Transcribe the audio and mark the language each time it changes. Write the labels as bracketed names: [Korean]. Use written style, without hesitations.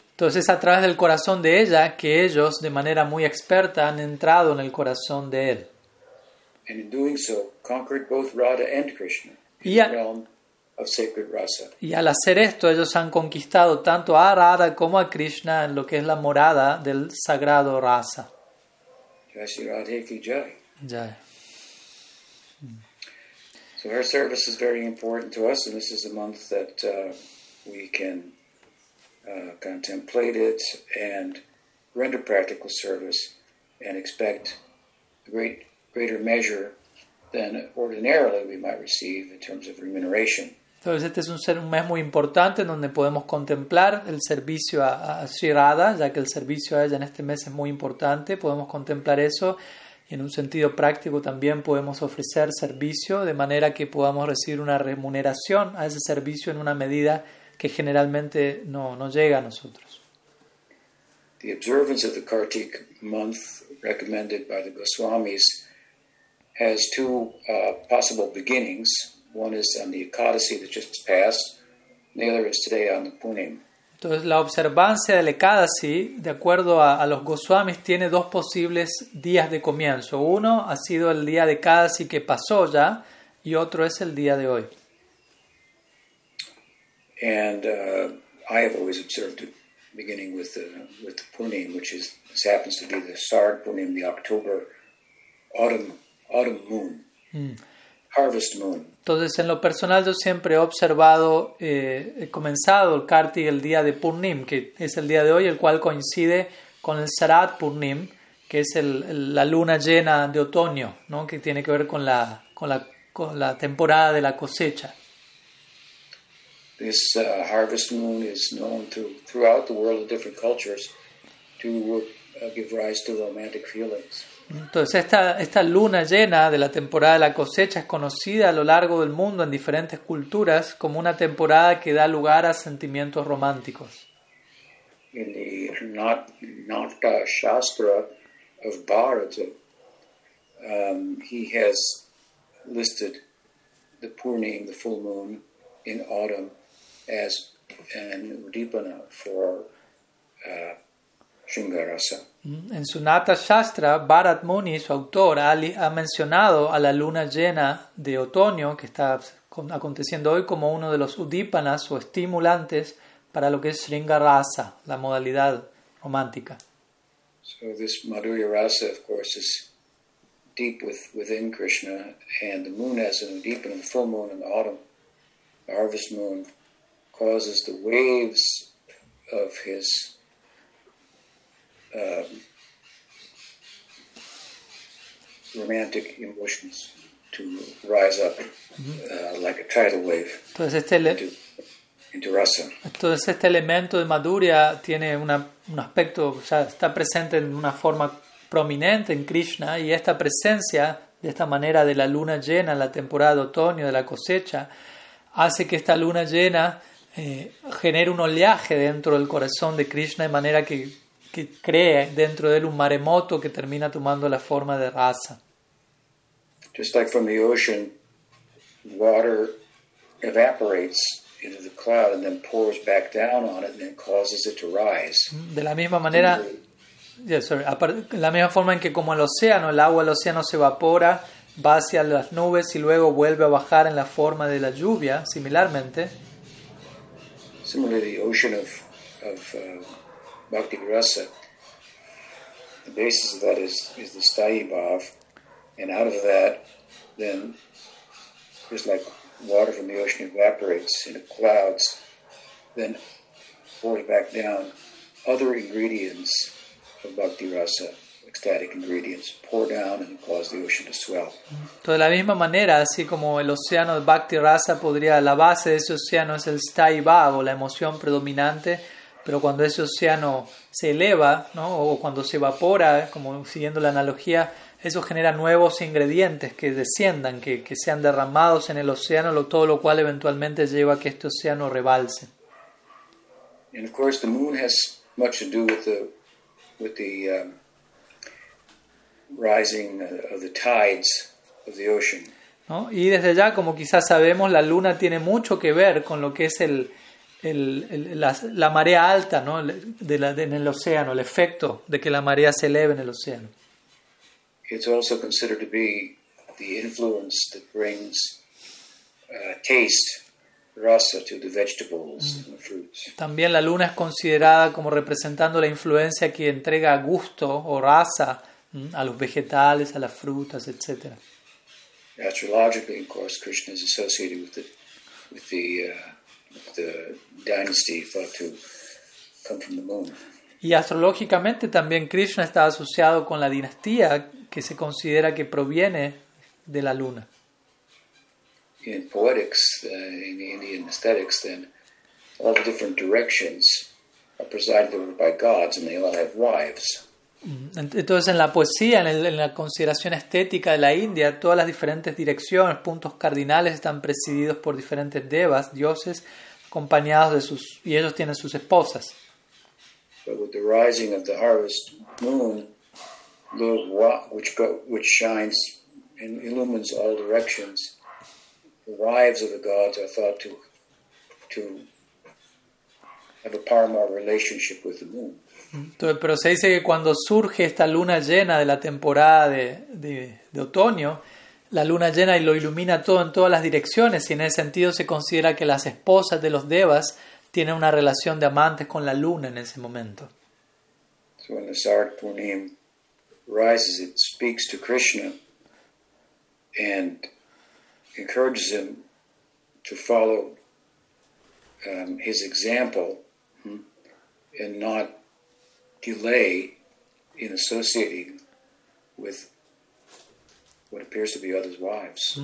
[Spanish] Entonces, a través del corazón de ella, que ellos, de manera muy experta, han entrado en el corazón de él. [English] And in doing so, conquered both Radha and Krishna in the realm of sacred rasa. [Spanish] Y al hacer esto, ellos han conquistado tanto a Radha como a Krishna en lo que es la morada del sagrado rasa. [Hindi] Jai Radhe ki jai. Jai. [English] So her service is very important to us, and this is a month that we can contemplate it and render practical service and expect a greater measure than ordinarily we might receive in terms of remuneration. [Spanish] Entonces este es un mes muy importante donde podemos contemplar el servicio a Sri Radha, ya que el servicio a ella en este mes es muy importante. Podemos contemplar eso y en un sentido práctico también podemos ofrecer servicio de manera que podamos recibir una remuneración a ese servicio en una medida que generalmente no llega a nosotros. [English] The observance of the Kartik month recommended by the Goswamis has two possible beginnings. One is on the Ekadasi that just passed, and the other is today on the Punim. [Spanish] Entonces la observancia del Ekadasi, de acuerdo a los Goswamis, tiene dos posibles días de comienzo. Uno ha sido el día de Ekadasi que pasó ya, y otro es el día de hoy. [English] And I have always observed it beginning with the Punim, which is this happens to be the Sard Punim, the October autumn moon, harvest moon. [Spanish] Entonces, en lo personal, yo siempre he observado, he comenzado el Kartik el día de Purnim, que es el día de hoy, el cual coincide con el Sarat Purnim, que es la luna llena de otoño, ¿no? Que tiene que ver con la temporada de la cosecha. [English] This harvest moon is known throughout the world of different cultures to give rise to romantic feelings. [Spanish] Entonces esta luna llena de la temporada de la cosecha es conocida a lo largo del mundo en diferentes culturas como una temporada que da lugar a sentimientos románticos. [English] In the Natka Shastra of Bharata, he has listed the Purnim, the full moon, in autumn as an Udipana for Shringa Rasa. [Spanish] En su Nata Shastra, Bharat Muni, su autor, ha mencionado a la luna llena de otoño que está aconteciendo hoy como uno de los udipanas o estimulantes para lo que es Shringa Rasa, la modalidad romántica. [English] So this Madhurya Rasa, of course, is deep within Krishna, and the moon as an udipana, the full moon in the autumn, the harvest moon, causes the waves of his um, romantic emotions to rise up like a tidal wave. [Spanish] Entonces [English] into rasa. [Spanish] Entonces este elemento de madhurya tiene un aspecto, o sea, está presente en una forma prominente en Krishna, y esta presencia de esta manera de la luna llena en la temporada de otoño de la cosecha hace que esta luna llena genere un oleaje dentro del corazón de Krishna, de manera que cree dentro de él un maremoto que termina tomando la forma de rasa. [English] Just like from the ocean, water evaporates into the cloud and then pours back down on it and then causes it to rise. [Spanish] De la misma manera, la misma forma en que como el océano, el agua del océano se evapora, va hacia las nubes y luego vuelve a bajar en la forma de la lluvia, similarmente. [English] Similarly, the ocean of Bhakti Rasa, the basis of that is the Stayi Bhav, and out of that, then, just like water from the ocean evaporates into clouds, then pours back down other ingredients of Bhakti Rasa, ecstatic ingredients, pour down and cause the ocean to swell. [Spanish] De la misma manera, así como el océano de Bhakti Rasa podría, la base de ese océano es el Stayi Bhav, la emoción predominante, pero cuando ese océano se eleva, ¿no?, o cuando se evapora, como siguiendo la analogía, eso genera nuevos ingredientes que desciendan, que sean derramados en el océano, todo lo cual eventualmente lleva a que este océano rebalse. [English] And of course the moon has much to do with the rising of the tides of the ocean. [Spanish] ¿No? Y desde ya, como quizás sabemos, la luna tiene mucho que ver con lo que es la marea alta, ¿no?, en el océano, el efecto de que la marea se eleve en el océano. [English] It's also considered to be the influence that brings taste, rasa, to the vegetables and the fruits. [Spanish] También la luna es considerada como representando la influencia que entrega gusto o rasa a los vegetales, a las frutas, etc. [English] Astrologically, of course, Krishna is associated with the dynasty thought to come from the moon. [Spanish] Y astrológicamente también Krishna está asociado con la dinastía que se considera que proviene de la luna. [English] In poetics, in the Indian aesthetics, then all the different directions are presided over by gods, and they all have wives. [Spanish] Entonces, en la poesía, en la consideración estética de la India, todas las diferentes direcciones, puntos cardinales, están presididos por diferentes devas, dioses, acompañados de sus, y ellos tienen sus esposas. [English] But with the rising of the harvest moon, the which shines and illumines all directions, the wives of the gods are thought to have a paramount relationship with the moon. [Spanish] Entonces, pero se dice que cuando surge esta luna llena de la temporada de otoño, la luna llena y lo ilumina todo en todas las direcciones, y en ese sentido se considera que las esposas de los devas tienen una relación de amantes con la luna en ese momento. [English] So when the Sarat Purnim rises, it speaks to Krishna and encourages him to follow his example and not delay in associating with what appears to be others' wives.